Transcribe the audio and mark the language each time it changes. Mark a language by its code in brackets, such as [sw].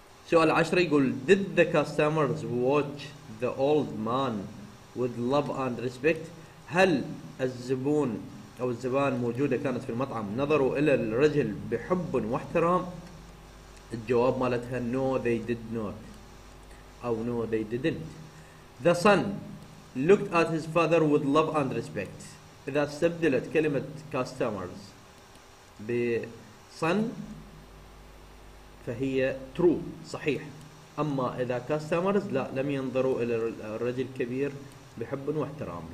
[ar] سؤال 10 يقول [en] Did the customers watch the old man with love and respect؟ [ar] هل الزبون أو الزبان موجودة كانت في المطعم نظروا إلى الرجل بحب واحترام؟ الجواب مالتها [en] No they did not أو No they didn't. The son looked at his father with love and respect. [ar] إذا استبدلت كلمة customers ب son فهي true صحيح. اما اذا كاستمرز لا لم ينظروا الى الرجل الكبير بحب واحترام.